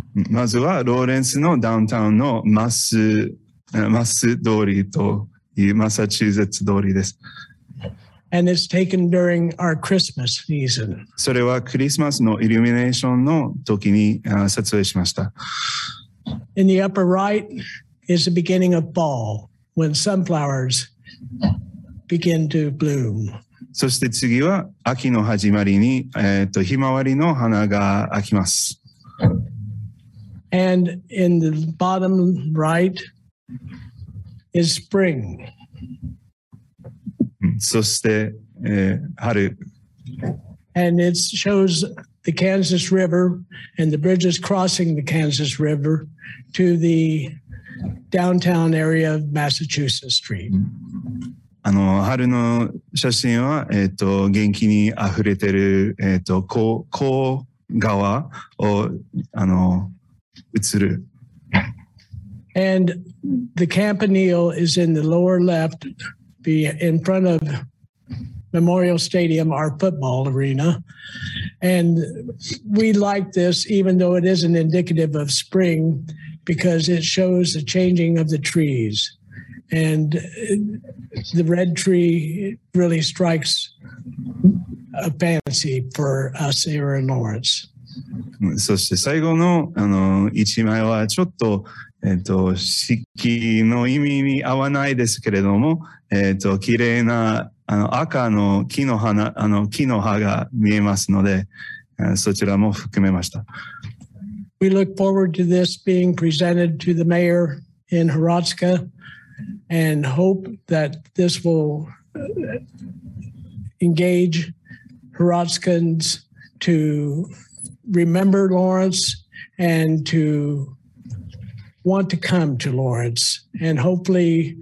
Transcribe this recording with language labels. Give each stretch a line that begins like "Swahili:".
Japanese: まずはローレンスのダウンタウンのマス通りというマサチューセッツ通りです。
English: And it's taken during our Christmas season.
Japanese: それはクリスマスのイルミネーションの時に撮影しました。
English: In the upper right is the beginning of fall, when sunflowers begin to bloom.
Japanese: そして次は秋の始まりに、ひまわりの花が開きます。
English: And in the bottom right is spring.
Japanese: そして、春。
English: And it shows the Kansas River and the bridges crossing the Kansas River to the downtown area of Massachusetts Street.
Japanese: 春の写真は、元気にあふれてる、甲川を映る。
English: And the campanile is in the lower left. In front of Memorial Stadium, our football arena. And we like this, even though it isn't indicative of spring, because it shows the changing of the trees. And the red tree really strikes a fancy for us here in Lawrence.
Japanese: そして最後の、一枚はちょっと、四季の意味に合わないですけれども、綺麗な赤の木の花、木の葉が見えますので、そちらも含めました。
English: We look forward to this being presented to the mayor in Hiratsuka and hope that this will engage Hiratsukans to remember Lawrence and to want to come to Lawrence and hopefully.